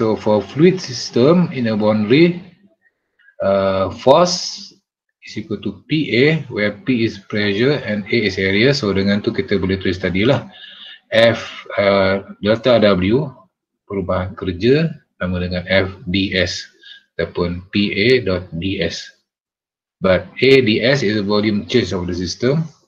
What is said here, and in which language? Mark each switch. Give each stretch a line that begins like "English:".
English: So for fluid system in a boundary, force is equal to PA, where P is pressure and A is area.
Malay: So dengan tu kita boleh tulis tadi lah, F delta W perubahan kerja sama dengan FdS ataupun PA dot DS.
English: But ADS is a volume change of the system.